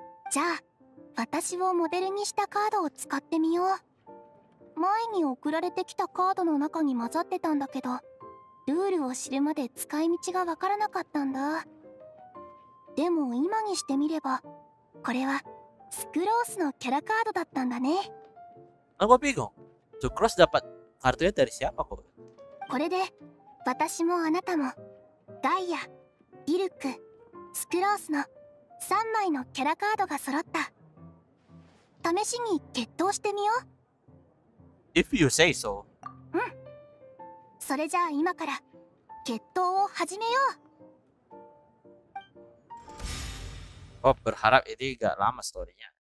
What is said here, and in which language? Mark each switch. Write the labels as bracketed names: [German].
[Japanese] じゃあ私をモデルにしたカードを使ってみよう。前に送られてきたカードの中に混ざってたんだけど、ルールを知るまで使い道が分からなかったんだ。でも今にしてみれば、これはスクロースのキャラカードだったんだね。 [Indonesian] Aku bingung. Sukros dapat kartunya dari siapa kok? [Japanese] これで私もあなたもガイア、ディルク、スクロースの3枚のキャラカードが揃った。試しに決闘してみよう。 [English] If you say so. [Japanese] うん。それじゃあ今から決闘を始めよう。 [Indonesian] Oh, berharap ini gak lama story-nya.